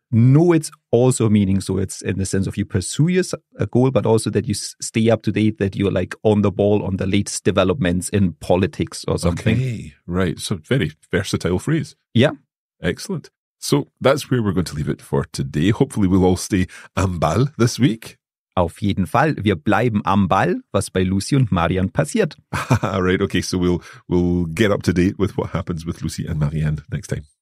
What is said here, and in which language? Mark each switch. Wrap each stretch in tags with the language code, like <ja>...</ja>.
<en>know it's also meaning, so it's in the sense of you pursue your goal, but also that you stay up to date, that you're like on the ball on the latest developments in politics or something. Okay, right. So very versatile phrase. Yeah. Excellent. So that's where we're going to leave it for today. Hopefully we'll all stay</en> <de>am Ball</de> <en>this week.</en> <de>Auf jeden Fall. Wir bleiben am Ball, was bei Lucy und Marianne passiert.</de> <en>Right, okay. So we'll get up to date with what happens with Lucy and Marianne next time.</en>